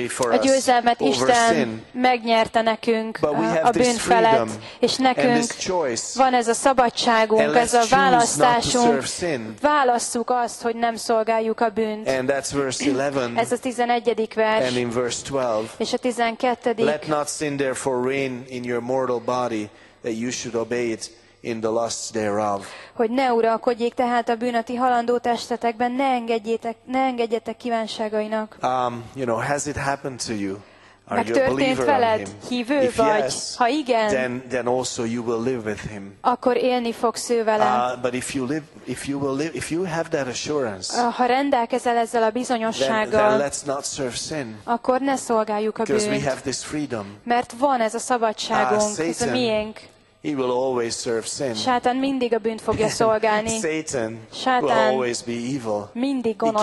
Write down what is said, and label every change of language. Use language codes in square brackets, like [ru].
[hu] A győzelmet Isten megnyert érte nekünk a bűn felett, és nekünk van ez a szabadságunk, ez a választásunk. Választjuk azt, hogy nem szolgáljuk a bűnt. [en] And that's verse 11. [hu] Ez a 11. vers. [en] And in verse 12. [hu] És a 12. [en] Let not sin therefore reign in your mortal body, that you should obey it in the lusts thereof. [hu] Hogy ne uralkodjék tehát a bűn a ti halandó testetekben, ne engedjetek kívánságainak. [en] You know, has it happened to you? [hu] Megtörtént veled, hívő [en] if [hu] vagy? [en] Yes, [hu] ha igen, [en] then also you will live with him. [hu] Akkor élni fogsz ő vele. [en] But if you live, if you have that assurance, [hu] ha rendelkezel ezzel a bizonyossággal, [en] then let's not serve sin, [hu] akkor ne szolgáljuk a bűnt. [en] Because we have this freedom. [hu] Mert van ez a szabadságunk, ez a miénk. [en] He will always serve sin. [hu] Sátán mindig a bűnt fogja szolgálni. [en] Satan will always be evil. [hu] Mindig gonosz